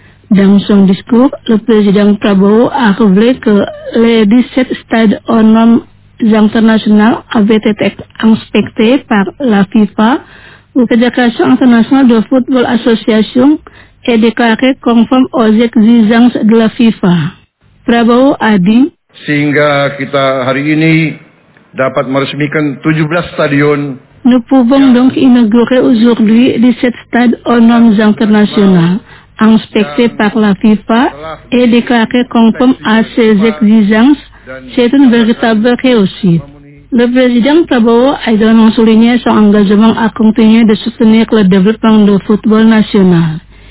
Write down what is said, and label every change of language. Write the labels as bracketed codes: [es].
[fr] Dans son discours, le président Prabowo a rappelé que les 17 stades aux normes internationales avaient été inspectés par la FIFA, la Fédération internationale de football association, est déclaré conforme aux exigences de la FIFA. Prabowo a dit, [id] sehingga kita hari ini dapat meresmikan 17 stadion. [fr] Nous pouvons donc inaugurer aujourd'hui 17 stades aux normes internationales, inspectés par la FIFA et déclaré conforme à ses exigences. C'est une véritable réussite. Le président Prabowo a également souligné son engagement à continuer de soutenir le développement du football national.